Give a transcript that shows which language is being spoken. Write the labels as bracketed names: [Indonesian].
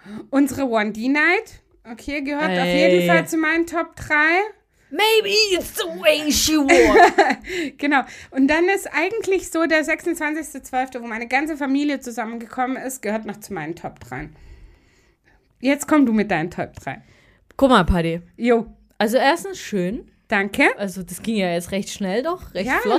[German] Unsere 1D Night, okay, gehört auf jeden Fall zu meinen Top 3. [English] Maybe it's the way she wore. [German] Genau. Und dann ist eigentlich so der 26.12., wo meine ganze Familie zusammengekommen ist, gehört noch zu meinen Top 3. Jetzt komm du mit deinen Top 3. Guck mal, Paddy. Jo. Also erstens schön. Danke. Also das ging ja jetzt recht schnell doch, recht ja, flott.